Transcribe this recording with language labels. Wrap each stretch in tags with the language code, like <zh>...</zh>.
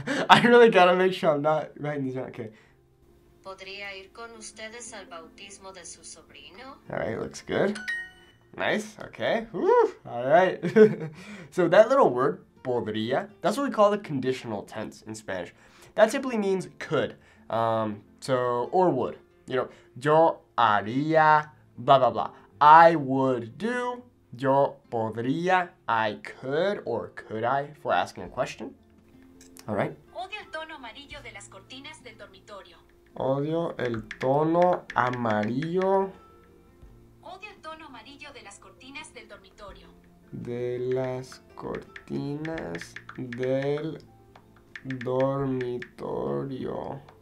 <en>I really gotta make sure I'm not writing this down. Okay.</en> <es>¿Podría ir con ustedes al bautismo de su sobrino?</es> <en>Alright, looks good. Nice, okay. Alright. So that little word, podría, that's what we call the conditional tense in Spanish. That simply means could. Or would. You know,</en> <es>yo haría,</es> <en>blah, blah, blah. I would do.</en> <es>Yo podría,</es> <en>I could, or could I, for asking a question. All right.</en> <es>Odio el tono amarillo de las cortinas del dormitorio. Odio el tono amarillo. Odio el tono amarillo de las cortinas del dormitorio. De las cortinas del dormitorio.</es>